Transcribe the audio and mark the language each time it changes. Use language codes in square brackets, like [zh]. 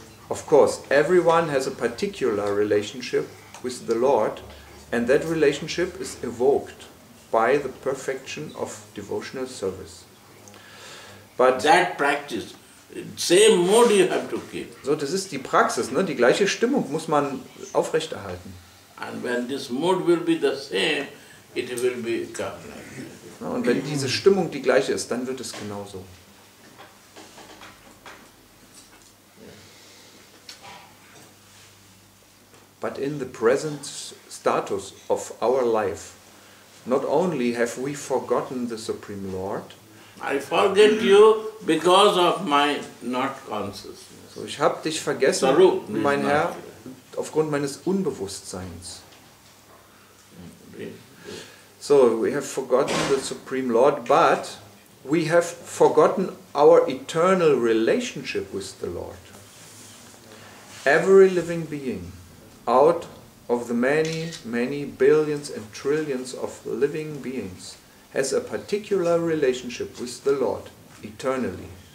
[en] Of course, everyone has a particular relationship with the Lord, and that relationship is evoked by the perfection of devotional service. But that practice, same mode you have to keep. [de] So, das ist die Praxis, ne? Die gleiche Stimmung muss man aufrechterhalten. [en] And when this mode will be the same, it will become like that. [de] Und wenn diese Stimmung die gleiche ist, dann wird es genauso. [en] But in the present status of our life, not only have we forgotten the Supreme Lord. I forget you because of my not consciousness. [de] So ich habe dich vergessen, Sarup, mein Herr, aufgrund meines Unbewusstseins. [en] So we have forgotten the Supreme Lord, but we have forgotten our eternal relationship with the Lord. Every living being, out of the many, many billions and trillions of living beings, has a particular relationship with the Lord eternally.